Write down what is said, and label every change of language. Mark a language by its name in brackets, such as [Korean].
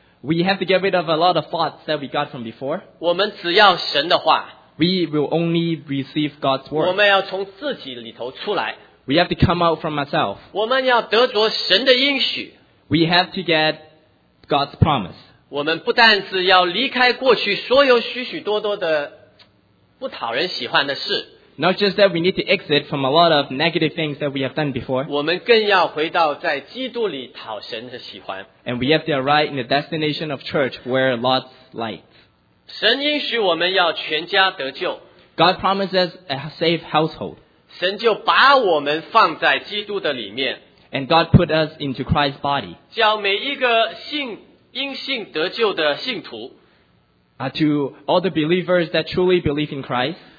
[English] We have to get rid of a lot of thoughts that we got from before. [Chinese] 我们只要神的话。 [English] We will only receive God's word. [Chinese] 我们要从自己里头出来。 [English] We have to come out from ourselves. [Chinese] 我们要得着神的应许。 [English] We have to get God's promise. [Chinese] 我们不但是要离开过去所有许许多多的不讨人喜欢的事。 [English] Not just that we need to exit from a lot of negative things that we have done before. [Chinese] 我们更要回到在基督里讨神的喜欢。 [English] And we have to arrive in the destination of church where Lord's light. [Chinese] 神应许我们要全家得救。 [English] God promises a safe household. [Chinese] 神就把我们放在基督的里面。 [English] And God put us into Christ's body. [Chinese] 叫每一个因信得救的信徒。 [English] To all the believers that truly believe in Christ.